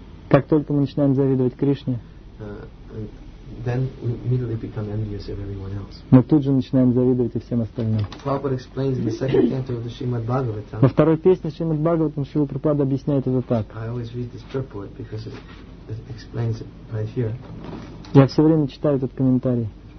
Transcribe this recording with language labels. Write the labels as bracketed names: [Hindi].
[Russian] Как только мы начинаем завидовать Кришне, [English] then we immediately become envious of everyone else. [Russian] Мы тут же начинаем завидовать и всем остальным. [English] Prabhupada explains in the second canto of the Srimad Bhagavatam. [Russian] Во второй песне Шримад Бхагаватам Шрила Прабхупада объясняет это так. [English] I always read this purport because it explains it right here. [Russian] Я все время читаю этот комментарий.